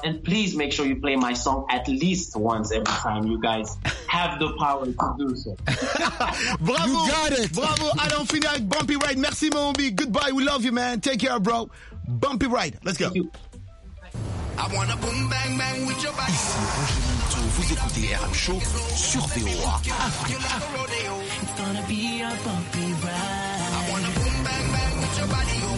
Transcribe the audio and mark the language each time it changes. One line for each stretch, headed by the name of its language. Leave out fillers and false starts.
English: And please make sure you play my song at least once every time you guys have the power to do so. Bravo! You got it! Bravo! I don't finish like Bumpy Ride.
French: Merci,
English: Mombi. Goodbye. We love you, man. Take care, bro. Bumpy Ride. Let's go. Thank you. I wanna boom bang bang with your body.
French: Ici Roger Minto, vous écoutez RM Show sur VOA.
English: It's gonna be a bumpy ride. I wanna boom bang bang with your body.